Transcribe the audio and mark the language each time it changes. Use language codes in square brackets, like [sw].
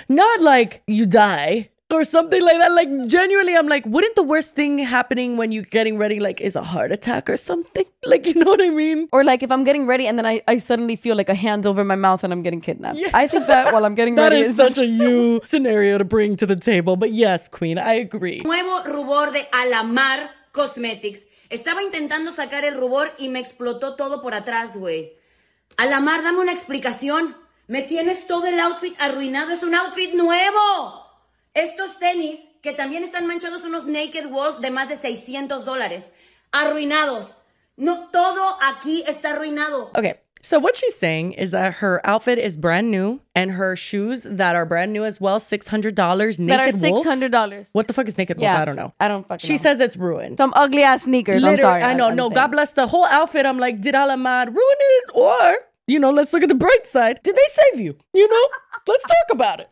[en] Not like you die or something like that. Like, genuinely, I'm like, wouldn't the worst thing happening when you're getting ready, like, is a heart attack or something? Like, you know what I mean? Or like, if I'm getting ready and then I suddenly feel like a hand over my mouth and I'm getting kidnapped. Yeah. I think that while I'm getting that ready is such a you scenario to bring to the table. But yes, queen, I agree. [es] Nuevo rubor de Alamar Cosmetics. Estaba intentando sacar el rubor y me explotó todo por atrás, güey. Alamar, dame una explicación. Me tienes todo el outfit arruinado. ¡Es un outfit nuevo! Estos tenis, que también están manchados, son unos Naked Wolf de más de $600. Arruinados. No, todo aquí está arruinado. [en] Okay. So what she's saying is that her outfit is brand new and her shoes that are brand new as well, $600. Naked Wolf? $600. What the fuck is Naked Wolf? I don't know. I don't fucking know. She says it's ruined. Some ugly ass sneakers. Literally, I'm sorry. I know. No, God bless the whole outfit. I'm like, did Alamad ruin it? Or, you know, let's look at the bright side. Did they save you? You know? Let's talk about it.